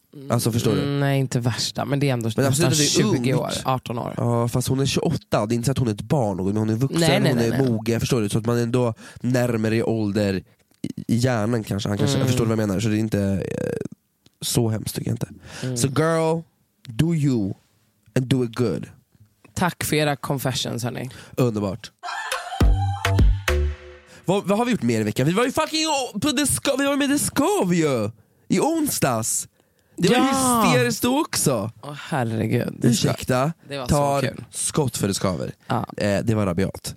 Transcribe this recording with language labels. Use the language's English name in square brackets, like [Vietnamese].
[Swedish] Alltså förstår du? Nej, inte värsta, men det är ändå men nästan är 20 ungt. År, 18 år. Ja, fast hon är 28, det är inte så att hon är ett barn, men hon är vuxen, nej. Mogen, förstår du? Så att man ändå närmare i ålder i hjärnan kanske. Han kanske, förstår du vad jag menar? Så det är inte... så hemskt tycker jag inte. [English] So girl, do you and do it good. [Swedish] Tack för era confessions hörni. Underbart. Vad har vi gjort mer i veckan? Vi var ju fucking på vi var med Discovery ju. I onsdags. Det var hysteriskt också. Åh herregud. Ursäkta. Det var så kul. Skott för Discovery. Ja. Det var rabiat.